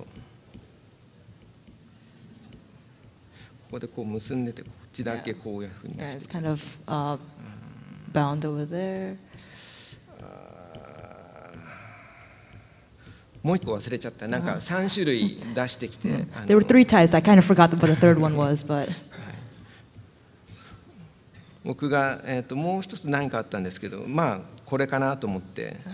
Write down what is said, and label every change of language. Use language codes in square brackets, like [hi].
[ja] ここでこう結んでて、こっちだけこういうふうに出して。 [en] Yeah, it's kind of bound over there. [ja] もう一個忘れちゃった。なんか三種類出してきて。 [en] There were three types. I kind of forgot what the third one was, but [ja] 僕がもう一つ何かあったんですけど、まあこれかなと思って。